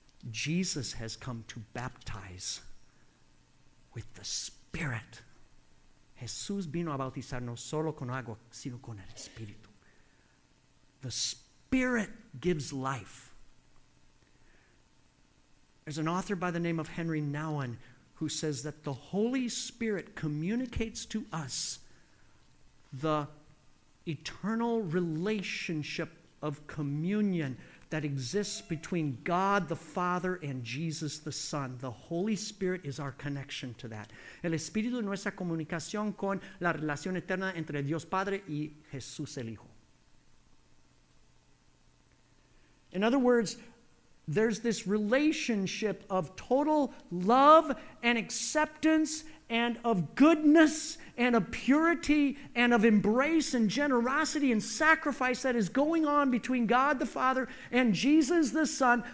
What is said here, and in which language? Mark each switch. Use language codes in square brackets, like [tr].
[en] Jesus has come to baptize with the Spirit. [es] Jesús vino a bautizar no solo con agua, sino con el Espíritu. [en] The Spirit gives life. There's an author by the name of Henry Nouwen who says that the Holy Spirit communicates to us the eternal relationship of communion that exists between God the Father and Jesus the Son. The Holy Spirit is our connection to that. [es] El Espíritu es nuestra comunicación con la relación eterna entre Dios Padre y Jesús el Hijo. [en] In other words, there's this relationship of total love and acceptance and of goodness and of purity and of embrace and generosity and sacrifice that is going on between God the Father and Jesus the Son.